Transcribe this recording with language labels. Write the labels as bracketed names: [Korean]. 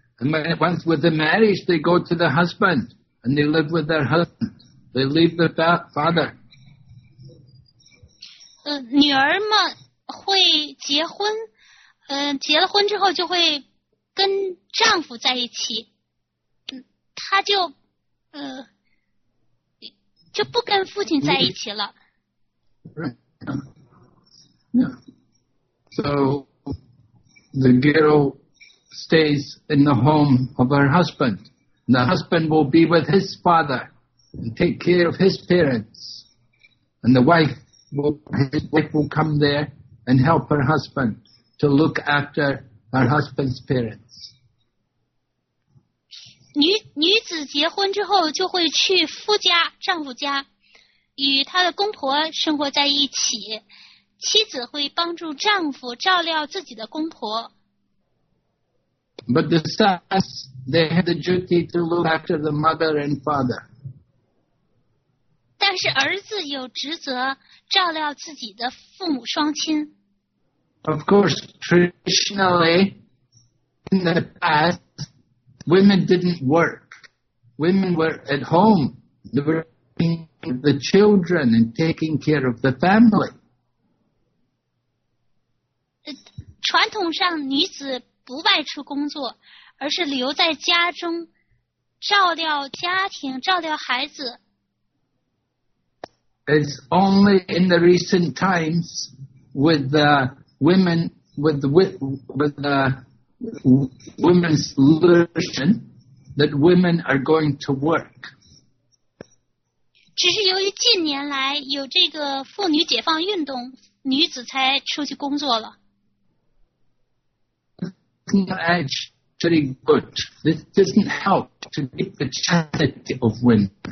[English] And once with the marriage, they go to the husband and they live with their husband. They leave the father. [Chinese] 女儿嘛会结婚，结了婚之后就会跟丈夫在一起。她就就不跟父亲在一起了。 [English] Right. Yeah. So. The girl stays in the home of her husband. The husband will be with his father and take care of his parents. And the wife will, his wife will come there and help her husband to look after her husband's parents. [Chinese] 女子结婚之后就会去夫家，丈夫家，与她的公婆生活在一起。妻子会帮助丈夫照料自己的公婆。 [English] But the sons, they have the duty to look after the mother and father. [Chinese] 但是儿子有职责照料自己的父母双亲。 [English] Of course, traditionally, in the past, women didn't work. Women were at home. They were taking care of the children and taking care of the family. [Chinese] 传统上女子不外出工作，而是留在家中照料家庭，照料孩子。 [English] It's only in the recent times with the women with the women's liberation that women are going to work. [Chinese] 只是由于近年来有这个妇女解放运动，女子才出去工作了。 [English] Actually good. This doesn't help to keep the chastity of women.